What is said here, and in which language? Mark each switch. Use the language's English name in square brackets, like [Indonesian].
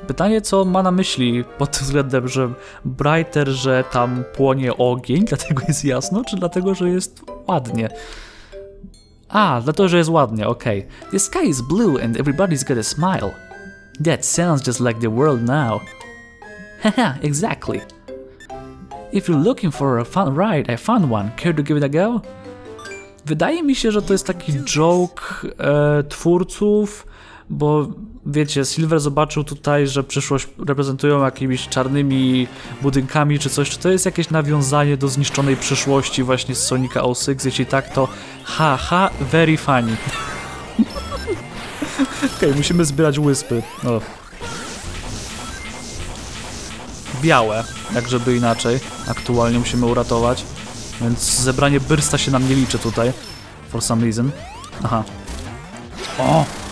[Polish] Pytanie, co ma na myśli pod tym względem, że brighter, że tam płonie ogień, dlatego jest jasno, czy dlatego, że jest ładnie? A, dlatego, że jest ładnie, okej. [English] Okay. The sky is blue and everybody's got a smile. That sounds just like the world now. Haha, exactly. If you're looking for a fun ride, I found one. Care to give it a go? [Polish] Wydaje mi się, że to jest taki joke twórców, bo wiecie, Silver zobaczył tutaj, że przyszłość reprezentują jakimiś czarnymi budynkami czy coś. Czy to jest jakieś nawiązanie do zniszczonej przyszłości właśnie z Sonica 06? Jeśli tak, to haha, [English] very funny. [Polish] Okej, okay, musimy zbierać wyspy. O. Białe, jak żeby inaczej. Aktualnie musimy uratować. Więc zebranie bursta się nam nie liczy tutaj. [English] For some reason. [Polish] Aha. O!